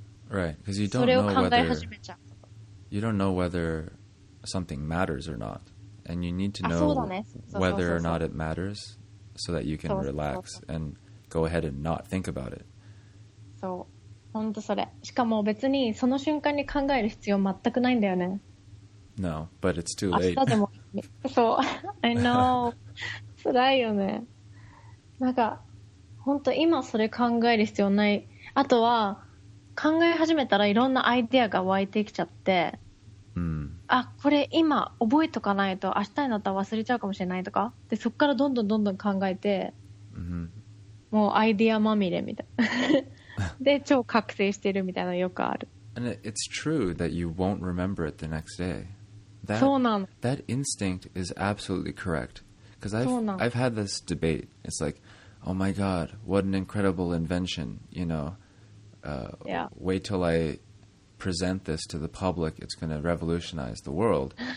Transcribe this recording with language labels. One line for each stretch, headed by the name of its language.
English: right, because you don't know whether something matters or not, and you need to know whether or not it matters so that you can relax and go ahead and not think about it.
Japanese: そう、本当それ。しかも別にその瞬間に考える必要全くないんだよね。
English: No, but it's too late.
Japanese: 明日でも、そう、
English: I know.
Japanese: 辛いよね。なんか本当今それ考える必要ない。あとは考え始めたらいろんなアイデアが湧いてきちゃって、あ、これ今覚えとかないと明日になったら忘れちゃうかもしれないとか、でそこからどんどんどんどん考えて、もうアイデアまみれみたいで超覚醒してるみたいなのよくある。
English: And it's true that you won't remember it the next day. That,
Japanese: そうなの。
English: That instinct is absolutely correct. Because I've had this debate. It's like, oh my god, what an incredible invention, you know. Yeah. Wait till I present this to the public. It's going to revolutionize the world.